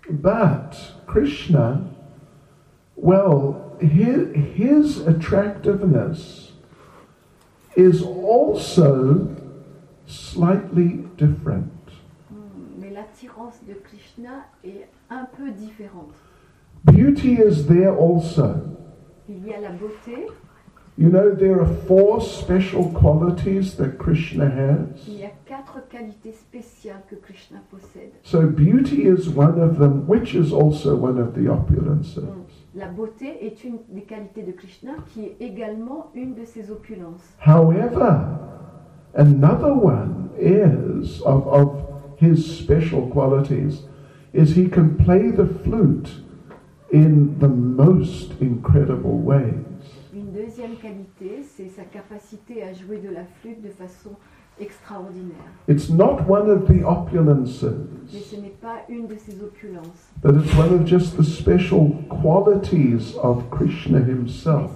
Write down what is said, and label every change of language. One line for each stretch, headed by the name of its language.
English: But Krishna, well, his attractiveness is also slightly different.
French: Mais l'attirance de Krishna est un peu différente.
English: Beauty is there also.
French: Il y a la beauté.
English: You know, there are four special qualities that Krishna has.
French: Il y a quatre qualités spéciales que Krishna possède.
English: So beauty is one of them, which is also one of the opulences.
French: La beauté est une des qualités de Krishna qui est également une de ses opulences.
English: However, another one is of his special qualities is he can play the flute in the most incredible ways.
French: Une deuxième qualité, c'est sa capacité à jouer de la flûte de façon extraordinaire.
English: It's not one of the opulences.
French: Mais ce n'est pas une de ses opulences.
English: But it's one of just the special qualities of Krishna himself.